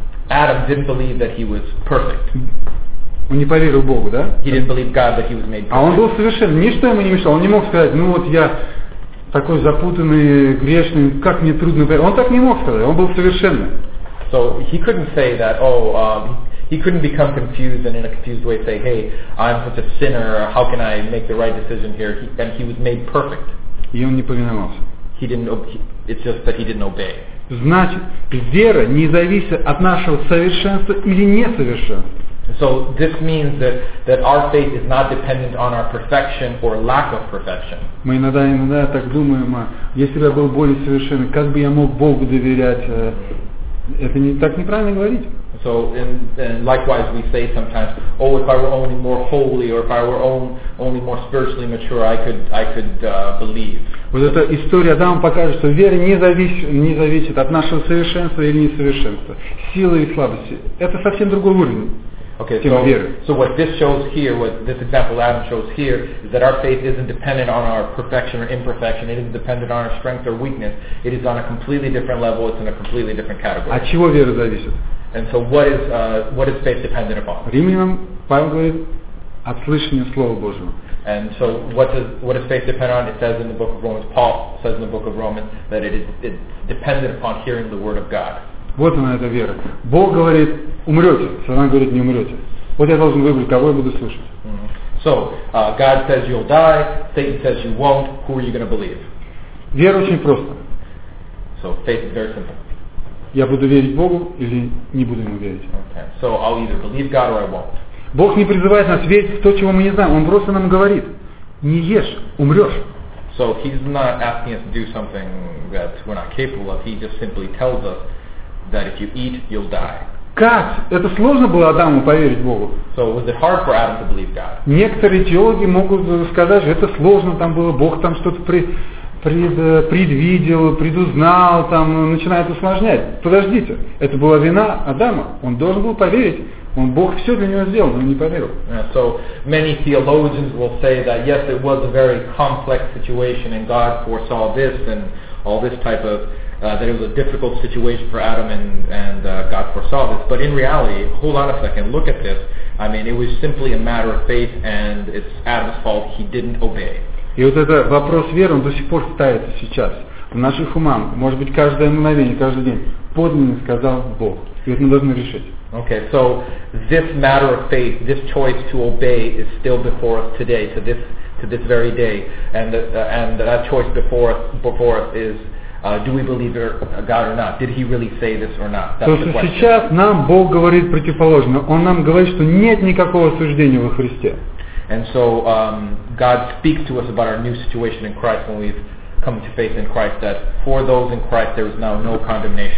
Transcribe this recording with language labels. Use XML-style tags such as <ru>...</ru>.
<en>Adam didn't believe that he was perfect.</en> <ru>Он не поверил Богу, да?</ru> <en>He didn't believe God that he was made perfect.</en> <ru>А он был совершенный. Ничто ему не мешало. Он не мог сказать, ну вот я такой запутанный, грешный, как мне трудно. Он так не мог сказать. Он был совершенный.</ru> <en>So he couldn't say that, he couldn't become confused and in a confused way say, hey, I'm such a sinner, how can I make the right decision here? And he was made perfect.</en> <ru>И он не повиновался.</ru> <en>He didn't it's just that he didn't obey.</en> <ru>Значит, вера не зависит от нашего совершенства или несовершенства.</ru> <en>So this means that our faith is not dependent on our perfection or lack of perfection.</en> <ru>Мы иногда так думаем, а если бы я был более совершенным, как бы я мог Богу доверять? Это не так неправильно говорить.</ru> <en>So and likewise we say sometimes, oh, if I were only more holy or if I were only more spiritually mature, I could believe.</en> <ru>Вот эта история Адама покажет, что вера не зависит от нашего совершенства или несовершенства, силы и слабости. Это совсем другой уровень.</ru> <en>Okay, so what this shows here, what this example Adam shows here, is that our faith isn't dependent on our perfection or imperfection. It isn't dependent on our strength or weakness. It is on a completely different level. It's in a completely different category.</en> <ru>От чего вера зависит?</ru> <en>And so what is faith dependent upon?</en> <ru>Римлянам Павел говорит, от слышания Слова Божьего.</ru> <en>And so what does faith depend on? It says in the book of Romans, Paul says in the book of Romans, that it's dependent upon hearing the word of God.</en> <ru>Вот она, эта вера. Бог говорит, умрете. Сатана говорит, не умрете. Вот я должен выбрать, кого я буду слушать. Mm-hmm.</ru> <en>So, God says you'll die, Satan says you won't. Who are you going to believe?</en> <ru>Вера очень проста.</ru> <en>So, faith is very simple.</en> <ru>Я буду верить Богу или не буду ему верить.</ru> <en>Okay. So, I'll either believe God or I won't.</en> <ru>Бог не призывает нас верить в то, чего мы не знаем. Он просто нам говорит, не ешь, умрешь.</ru> <en>So, he's not asking us to do something that we're not capable of. He just simply tells us that if you eat, you'll die.</en> <ru>Как? Это сложно было Адаму поверить Богу?</ru> <en>So was it hard for Adam to believe God?</en> <ru>Некоторые теологи могут сказать, что это сложно там было, Бог там что-то предвидел, предузнал, там начинает усложнять. Подождите, это была вина Адама. Он должен был поверить. Он Бог все для него сделал, но не поверил.</ru> <en>So many theologians will say that yes, it was a very complex situation, and God foresaw this and all this type of that it was a difficult situation for Adam, and God foresaw this. But in reality, hold on a second, look at this. I mean, it was simply a matter of faith, and it's Adam's fault he didn't obey.</en> <ru>И вот этот вопрос веры, он до сих пор ставится сейчас. В наших умах, может быть, каждое мгновение, каждый день, подлинно сказал Бог. И это мы должны решить.</ru> <en>Okay, so this matter of faith, this choice to obey is still before us today, to this very day. And that choice before us is, do we believe God or not? Did he really say this or not? That's the question.</en> <ru>То, что сейчас нам Бог говорит противоположно. Он нам говорит, что нет никакого осуждения во Христе.</ru> <en>And so God speaks to us about our new situation in Christ when we've come to faith in Christ, that for those in Christ there is now no condemnation.</en>